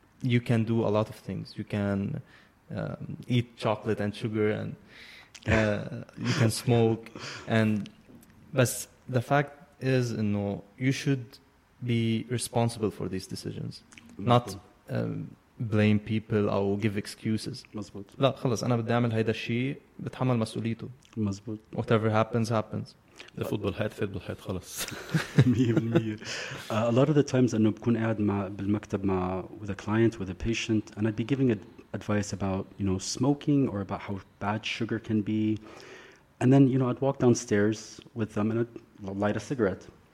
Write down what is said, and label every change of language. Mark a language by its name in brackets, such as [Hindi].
[English] You can do a lot of things. You can eat chocolate and sugar, and you can smoke. But the fact is, you should be responsible for these decisions, not blame people or give excuses. [Arabic] مزبوط. لا خلص أنا بدي أعمل هيدا الشيء بتحمل مسؤوليته. مزبوط. [English] Whatever happens, happens. The football head, football head, خلص. 100%. A lot of the times [Arabic] أنا بكون قاعد مع بالمكتب مع [English] with a client, with a patient, and I'd be giving advice about, you know, smoking or about how bad sugar can be. And then, you know, I'd walk downstairs with them and I'd light a cigarette.